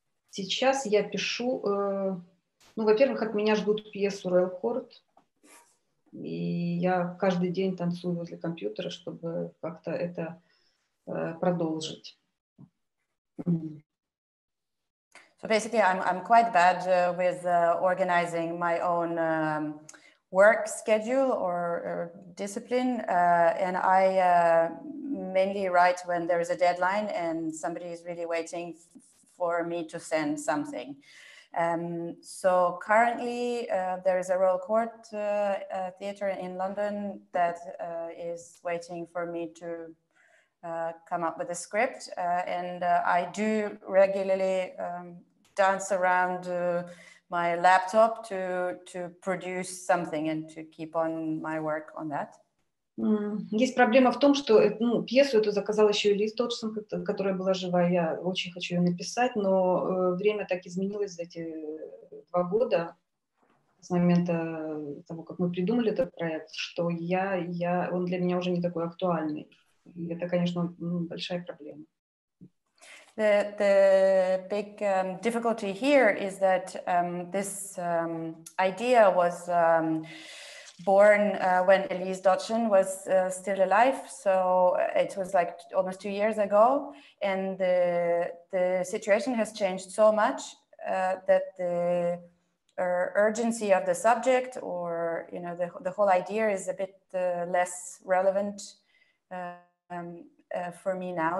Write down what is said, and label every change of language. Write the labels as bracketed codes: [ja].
[ru] Сейчас я пишу... Ну, во-первых, от меня ждут пьесу «Royal Court». И я каждый день танцую возле компьютера, чтобы как-то это продолжить. [en] So basically, I'm quite bad with organizing my own work schedule or discipline, and I mainly write when there is a deadline and somebody is really waiting for me to send something. So currently there is a Royal Court theater in London that is waiting for me to come up with a script, and I do regularly dance around my laptop to produce something and to keep on my work on that. [ru] Есть проблема в том, что пьесу эту заказал еще и Лиз Доджсон, которая была жива, я очень хочу ее написать, но время так изменилось за эти 2 года, с момента того, как мы придумали этот проект, что он для меня уже не такой актуальный. И это, конечно, большая проблема. [en] The big difficulty here is that this idea was... born when Elise Dotchin was still alive. So it was like almost 2 years ago. And the situation has changed so much that the urgency of the subject, or, you know, the whole idea is a bit less relevant for me now.